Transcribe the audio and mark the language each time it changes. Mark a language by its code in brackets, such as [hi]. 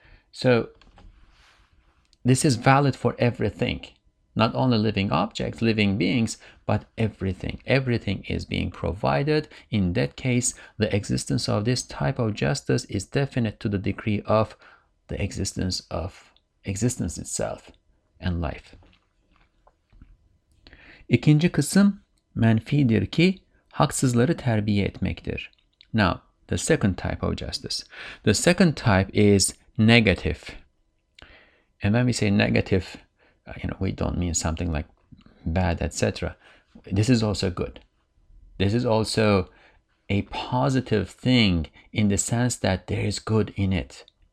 [en] So this is valid for everything, not only living objects, living beings, but everything. Everything is being provided. In that case, the existence of this type of justice is definite to the degree of the existence of existence itself and life. [tr] İkinci kısım menfidir ki haksızları terbiye etmektir. [en] Now, the second type of justice. The second type is negative. And when we say negative, you know, we don't mean something like bad, etc. This is also good. This is also a positive thing in the sense that there is good in it.